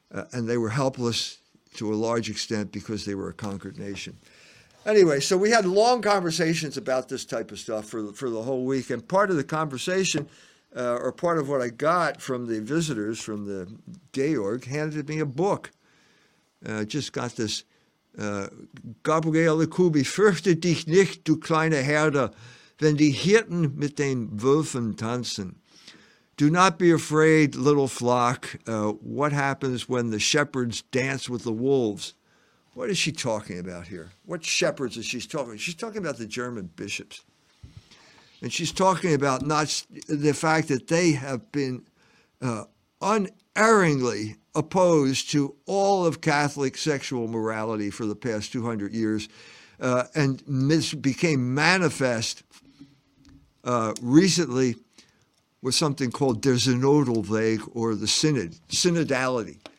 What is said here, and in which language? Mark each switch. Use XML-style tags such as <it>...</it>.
<en>And they were helpless to a large extent because they were a conquered nation. Anyway, so we had long conversations about this type of stuff for the whole week. And part of the conversation, or part of what I got from the visitors from the Georg, handed me a book. Just got this.</en> <de>Gabriele Kubi, fürchte dich nicht, du kleine Herde, wenn die Hirten mit den Wölfen tanzen.</de> <en>Do not be afraid, little flock. What happens when the shepherds dance with the wolves? What is she talking about here? What shepherds is she talking about? She's talking about the German bishops. And she's talking about not the fact that they have been unerringly opposed to all of Catholic sexual morality for the past 200 years, and this became manifest recently with something called Der Synodalweg, or the synodality</en>